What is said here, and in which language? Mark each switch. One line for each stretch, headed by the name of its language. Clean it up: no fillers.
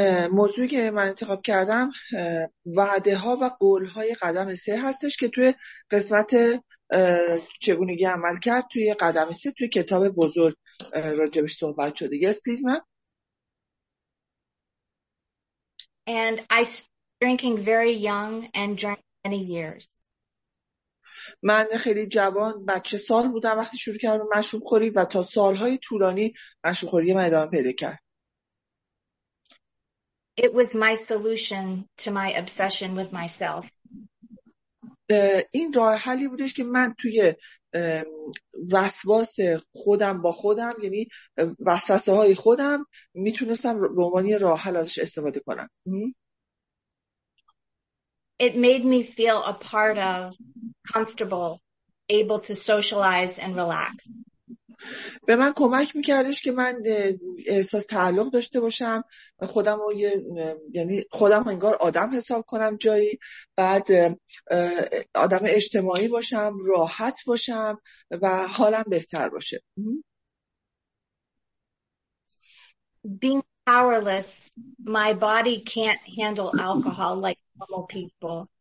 Persian: موضوعی که من انتخاب کردم وعده ها و قول های قدم سه هستش که توی قسمت چگونگی عمل کرد توی قدم سه توی کتاب بزرگ راجبش صحبت شده.
English: Yes, please, ma'am. And I started drinking very young and drank many years.
Persian: من خیلی جوان بچه سال بودم وقتی شروع کردم مشروب خوری و تا سالهای طولانی مشروب خوری من ادامه پیدا کرد.
English: It was my solution to my obsession with myself.
Persian: این راه حلی بودش که من توی وسواس خودم با خودم، یعنی وسوسه های خودم، میتونستم به عنوان راه حل ازش استفاده کنم.
English: It made me feel a part of, comfortable, able to socialize and relax.
Persian: به من کمک میکردش که من احساس تعلق داشته باشم، خودم رو یعنی خودم انگار آدم حساب کنم جایی، بعد آدم اجتماعی باشم، راحت باشم و حالم بهتر باشه.
English: Being powerless, my body can't handle alcohol like normal people.